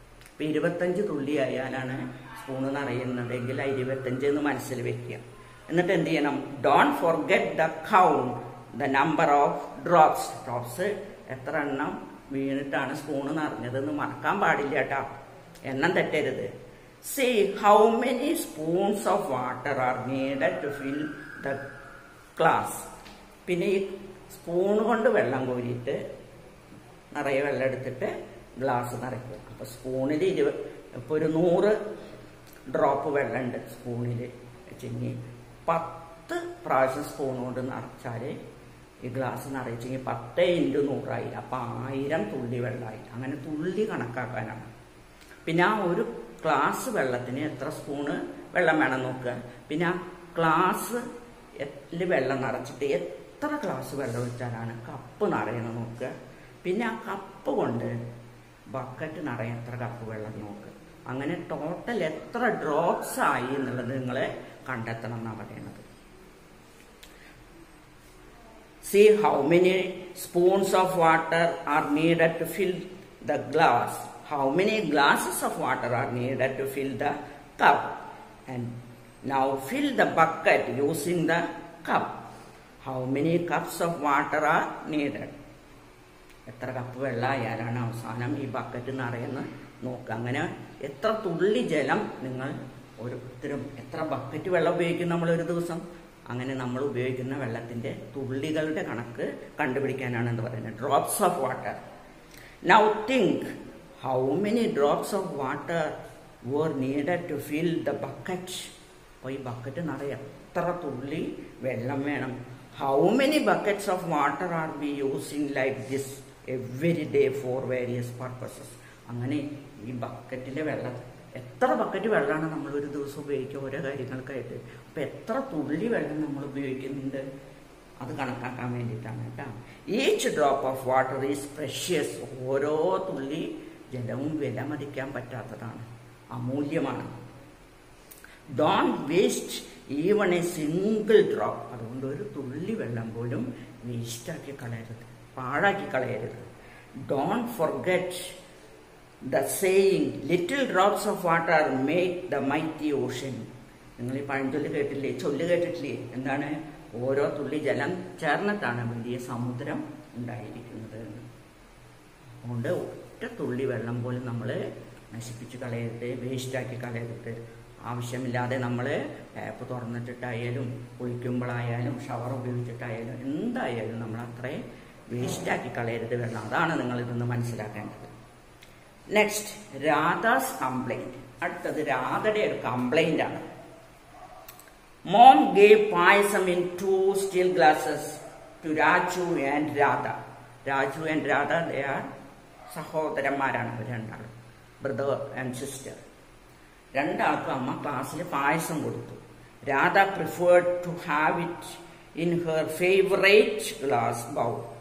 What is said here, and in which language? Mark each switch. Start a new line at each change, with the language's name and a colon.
Malayalam: ഇപ്പം 25 തുള്ളി ആയാലാണ് സ്പൂണ് നിറയുന്നതെങ്കിൽ 25 എന്ന് മനസ്സിൽ വെക്കുക. എന്നിട്ട് എന്ത് ചെയ്യണം,
English: don't forget the count the number of drops,
Malayalam: drops എത്ര എണ്ണം വീണിട്ടാണ് സ്പൂണ് നിറഞ്ഞതെന്ന് മറക്കാൻ പാടില്ല കേട്ടോ, എണ്ണം തെറ്റരുത്.
English: See how many spoons of water are needed to fill the glass.
Malayalam: പിന്നെ ഈ സ്പൂൺ കൊണ്ട് വെള്ളം കോരിയിട്ട് നിറയെ വെള്ളം എടുത്തിട്ട് ഗ്ലാസ് നിറയ്ക്കുക. അപ്പോൾ സ്പൂണിൽ 100 ഡ്രോപ്പ് വെള്ളം ഉണ്ട് സ്പൂണിൽ വെച്ചെങ്കിൽ 10 പ്രാവശ്യം സ്പൂൺ കൊണ്ട് നിറച്ചാൽ ഈ ഗ്ലാസ് നിറയിച്ചെങ്കിൽ 10 × 100 അപ്പോൾ 1000 തുള്ളി വെള്ളമായി. അങ്ങനെ തുള്ളി കണക്കാക്കാനാണ്. പിന്നെ ആ ഒരു ഗ്ലാസ് വെള്ളത്തിന് എത്ര സ്പൂണ് വെള്ളം വേണം നോക്കുക. പിന്നെ ആ ഗ്ലാസ് വെള്ളം നിറച്ചിട്ട് എത്ര ഗ്ലാസ് വെള്ളം ഒഴിച്ചാലാണ് കപ്പ് നിറയണം നോക്കുക. പിന്നെ ആ കപ്പ് കൊണ്ട് ബക്കറ്റ് നിറയാൻ എത്ര കപ്പ് വെള്ളം നോക്കുക. അങ്ങനെ ടോട്ടൽ എത്ര ഡ്രോപ്സ് ആയി എന്നുള്ളത് നിങ്ങൾ കണ്ടെത്തണം എന്നാണ് പറയുന്നത്.
English: See how many spoons of water are needed to fill the glass. How many glasses of water are needed to fill the cup? And now fill the bucket using the cup. How many cups of water are needed?
Malayalam: എത്ര cup വെള്ളമായാലാണ് അവസാനം ഈ bucket നിറയുന്നത് നോക്കുക. അങ്ങനെ എത്ര തുള്ളി ജലം നിങ്ങൾ ഓരോരുത്തരും എത്ര ബക്കറ്റ് വെള്ളം ഉപയോഗിക്കും നമ്മളൊരു ദിവസം, അങ്ങനെ നമ്മൾ ഉപയോഗിക്കുന്ന വെള്ളത്തിൻ്റെ തുള്ളികളുടെ കണക്ക് കണ്ടുപിടിക്കാനാണ് എന്ന് പറയുന്നത്,
English: Drops of water. Now think how many drops of water were needed to fill the bucket.
Malayalam: Poi bucket nare etra tulli vellam venam.
English: How many buckets of water are we using like this every day for various purposes.
Malayalam: Angane ee bucketile vella etra bucket vellana nammal oru divasam upayogikka ore karyangalkkayittu appo etra tulli vellam nammal upayogikkunnunde അത് കണക്കാക്കാൻ വേണ്ടിയിട്ടാണ് കേട്ടോ.
English: each drop of water is precious,
Malayalam: ഓരോ തുള്ളി ജലവും വില മതിക്കാൻ പറ്റാത്തതാണ്, അമൂല്യമാണ്.
English: don't waste even a single drop,
Malayalam: അതുകൊണ്ട് ഒരു തുള്ളി വെള്ളം പോലും വേസ്റ്റാക്കി കളയരുത്, പാഴാക്കി കളയരുത്.
English: Don't forget the saying little drops of water make the mighty ocean.
Malayalam: നിങ്ങൾ ഈ പഴഞ്ചൊല്ല് കേട്ടില്ലേ, ചൊല്ല് കേട്ടിട്ടില്ലേ, എന്താണ് ഓരോ തുള്ളി ജലം ചേർന്നിട്ടാണ് വലിയ സമുദ്രം ഉണ്ടായിരിക്കുന്നത് എന്ന്. അതുകൊണ്ട് ഒറ്റ തുള്ളി വെള്ളം പോലും നമ്മൾ നശിപ്പിച്ച് കളയരുത്, വേസ്റ്റാക്കി കളയരുത്. ആവശ്യമില്ലാതെ നമ്മൾ ടാപ്പ് തുറന്നിട്ടിട്ടായാലും കുളിക്കുമ്പോഴായാലും ഷവർ ഉപയോഗിച്ചിട്ടായാലും എന്തായാലും നമ്മൾ അത്രയും വേസ്റ്റാക്കി കളയരുത് വെള്ളം. അതാണ് നിങ്ങൾ ഇതൊന്ന് മനസ്സിലാക്കേണ്ടത്.
English: next Radha's complaint,
Malayalam: അടുത്തത് രാധയുടെ ഒരു കംപ്ലൈൻറ്റാണ്.
English: Mom gave payasam in 2 steel glasses to Raju and Radha. Raju and Radha, they are
Malayalam: sahodaranmarana, rendu
English: brother and sister.
Malayalam: Rendalku amma classil payasam koduthu.
English: Radha preferred to have it in her favorite glass bowl.